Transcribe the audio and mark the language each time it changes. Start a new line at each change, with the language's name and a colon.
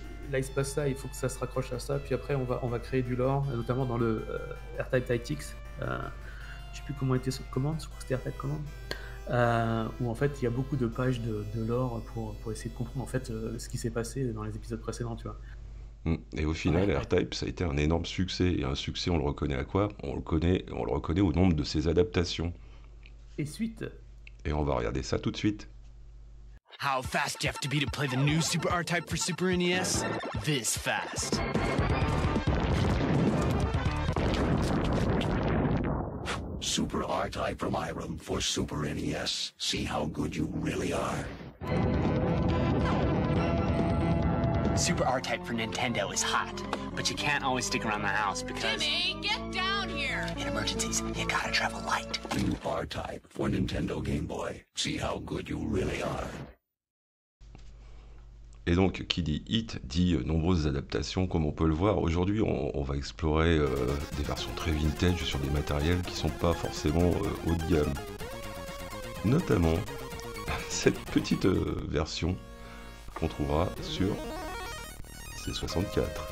French: là il se passe ça, il faut que ça se raccroche à ça, puis après on va créer du lore, notamment dans le R-Type Tactics, je sais plus comment était sur commande, je crois que c'était R-Type Command, où en fait il y a beaucoup de pages de lore pour essayer de comprendre en fait ce qui s'est passé dans les épisodes précédents, tu vois. Et au final, ouais, R-Type, ça a été un énorme succès, et un succès, on le reconnaît à quoi? On le reconnaît au nombre de ses adaptations. Et suite? Et on va regarder ça tout de suite.
English: How fast do you have to be to play the new Super R-Type for Super NES? This fast. Super R-Type from Irem for Super NES. See how good you really are. Super R-Type for Nintendo is hot, but you can't always stick around the house because... Timmy, get down here! In emergencies, you gotta travel light. New R-Type for Nintendo Game Boy. See how good you really are.
French: Et donc, qui dit hit, dit nombreuses adaptations, comme on peut le voir. Aujourd'hui, on va explorer des versions très vintage sur des matériels qui sont pas forcément haut de gamme. Notamment, cette petite version qu'on trouvera sur C64.